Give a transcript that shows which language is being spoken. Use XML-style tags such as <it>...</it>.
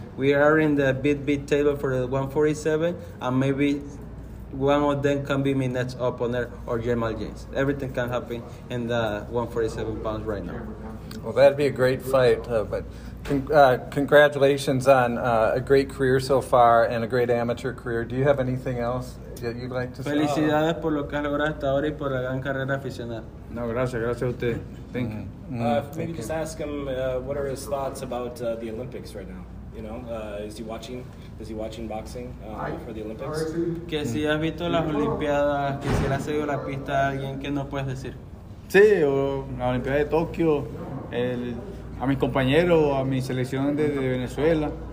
<en>We are in the bid table for the 147 and maybe one of them can be my next opponent or Jamal James. Everything can happen in the 147 pounds right now. Well, that'd be a great fight, but congratulations on a great career so far and a great amateur career. Do you have anything else that you'd like to say?</en> <es>Felicidades por lo que has logrado hasta ahora y por la gran carrera aficionada. No, gracias, gracias a usted.</es> <en>Thank you. Maybe just ask him what are his thoughts about the Olympics right now? You know, is he watching? Is he watching boxing for the Olympics?</en> <es>Que si has visto las Olimpiadas, que si has seguido la pista, alguien que no puedes decir. Sí, o la Olimpiada de Tokio, a mis compañeros, a mi selección de Venezuela.</es>